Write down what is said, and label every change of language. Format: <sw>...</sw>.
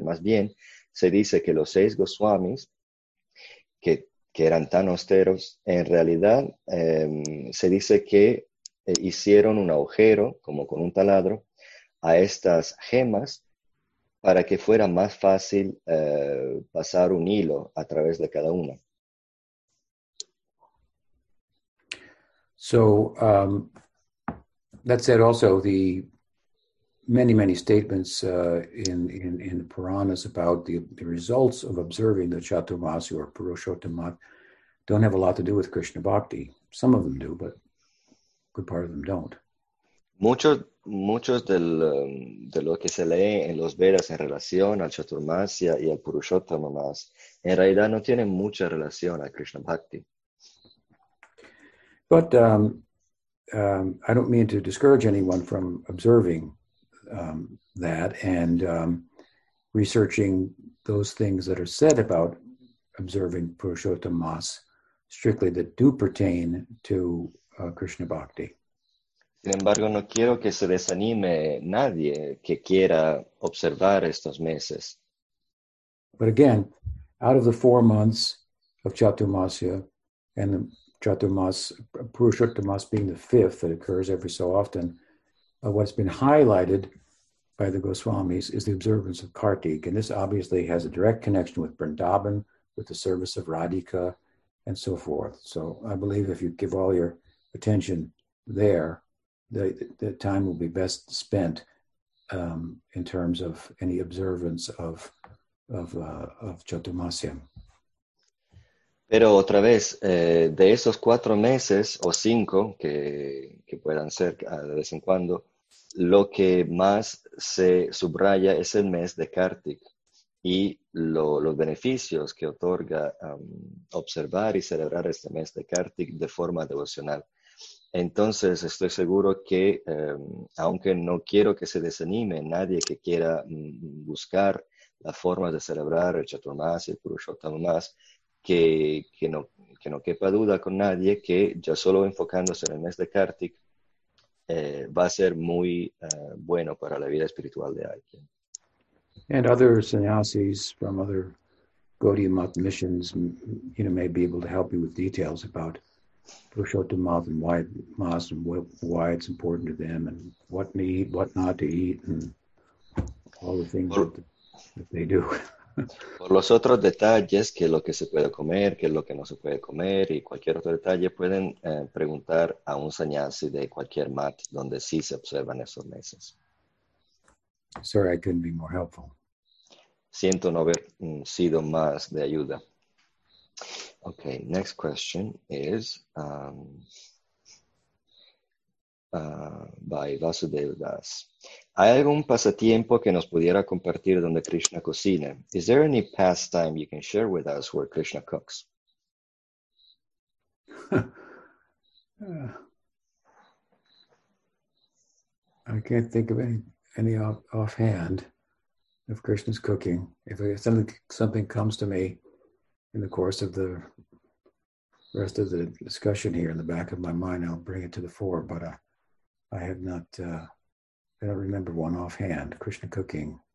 <es>Más bien, se dice que los seis Goswamis, que eran tan austeros, en realidad se dice que hicieron un agujero, como con un taladro, a estas gemas para que fuera más fácil pasar un hilo a través de cada una.</es> <en>So, that said also, the many, many statements in the Puranas about the results of observing the Chaturmasi or Purushottamat don't have a lot to do with Krishna Bhakti. Some of them do, but good part of them don't.</en> <es>Muchos del de lo que se lee en los Vedas en relación al Chaturmasya y al Purushottamas en realidad no tienen mucha relación a Krishna Bhakti.</es> <en>But I don't mean to discourage anyone from observing that and researching those things that are said about observing Purushottamas strictly that do pertain to Krishna Bhakti.</en> <es>Sin embargo, no quiero que se desanime nadie que quiera observar estos meses.</es> <en>But again, out of the 4 months of Chaturmasya and the Chaturmas, Purushottamas being the fifth that occurs every so often, what's been highlighted by the Goswamis is the observance of Kartik. And this obviously has a direct connection with Vrindavan, with the service of Radhika, and so forth. So I believe if you give all your attention there, the time will be best spent in terms of any observance of Chaturmasya.</en> <es>Pero otra vez, de esos 4 meses o 5 que puedan ser de vez en cuando, lo que más se subraya es el mes de Kartik y los beneficios que otorga observar y celebrar este mes de Kartik de forma devocional. Entonces, estoy seguro que, aunque no quiero que se desanime nadie que quiera buscar la forma de celebrar el Chaturmasya y el Purushottamas, que no quepa duda con nadie que ya solo enfocándose en el mes de Kartik va a ser muy bueno para la vida espiritual de alguien.</es> <en>And other sannyasis from other Gaudiya Math missions, you know, may be able to help you with details about Purushottamas and why it's important to them and what to eat, what not to eat, and all the things that they do.</en> <es>Por los otros detalles, qué es lo que se puede comer, qué es lo que no se puede comer y cualquier otro detalle, pueden preguntar a un sannyasi de cualquier mat donde sí se observan esos meses.</es> <en>Sorry, I couldn't be more helpful.</en> <es>Siento no haber sido más de ayuda. Okay, next question is by Vasudev Das. ¿Hay algún pasatiempo que nos pudiera compartir donde Krishna cocina?</es> <en>Is there any pastime you can share with us where Krishna cooks? I can't think of any offhand of Krishna's cooking. If something comes to me in the course of the rest of the discussion here in the back of my mind, I'll bring it to the fore, but I have not, I don't remember one offhand, Krishna cooking.</en>